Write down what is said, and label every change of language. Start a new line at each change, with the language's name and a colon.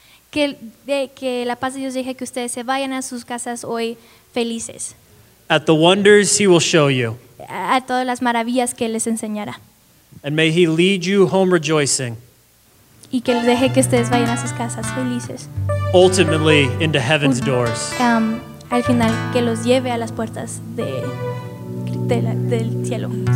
Spanish: Que la paz de Dios deje que ustedes se vayan a sus casas hoy felices.
English: At the wonders he will show you.
Spanish: A todas las maravillas que les enseñará.
English: And may he lead you home rejoicing.
Spanish: Y que les deje que ustedes vayan a sus casas felices.
English: Ultimately into heaven's doors.
Spanish: Al final que los lleve a las puertas del cielo.